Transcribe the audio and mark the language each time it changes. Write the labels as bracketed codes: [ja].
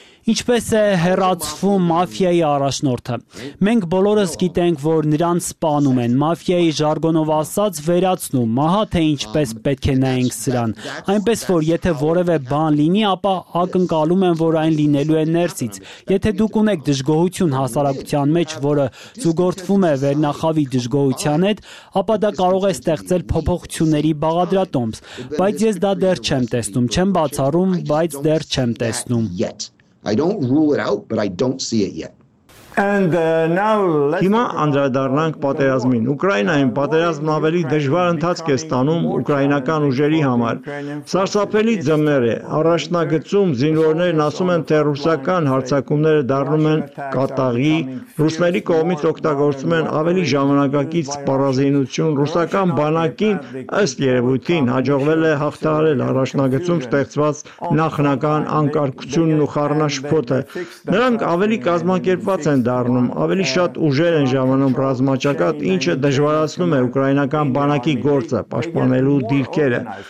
[hy] Ինչպես է հեռացվում մաֆիայի առաջնորդը։ Մենք բոլորս գիտենք, որ նրան սպանում են, մաֆիայի ժարգոնով ասած վերացնում, ահա թե ինչպես պետք է նայենք սրան։ Այնպես որ եթե որևէ բան լինի, ապա ակնկալում են, որ այն լինելու է ներսից։ Եթե դուք ունեք դժգոհություն հասարակության մեջ, որը զուգորդվում է վերնախավի դժգոհության հետ, ապա դա կարող է ստեղծել փոփոխությունների բաղադրատոմս, բայց ես դա դեռ չեմ տեսնում, չեմ բացառում, բայց դեռ չեմ տեսնում։ [en] I don't rule it out, but I don't see it yet. And now let's [hy] Հիմա անդրադառնանք պատերազմին։ Ուկրաինայում պատերազմն ավելի դժվար ընթացք է ստանում ուկրաինական ուժերի համար։ Սարսափելի ձմեր է։ Առաջնագծում զինվորներն ասում են, թե ռուսական հարձակումները դառնում են կատաղի, ռուսների կողմից օգտագործում են ավելի ժամանակակից սպառազինություն, ռուսական բանակին ըստ երևույթին հաջողվել է հաղթահարել առաջնագծում ստեղծված նախնական անկարգությունն ու խառնաշփոթը։ Նրանք ավելի կազմակերպված դառնում, ավելի շատ ուժեր են ժամանում ռազմաճակատ, ինչը դժվարացնում է ուկրաինական բանակի գործը, պաշտպանելու դիրքերը։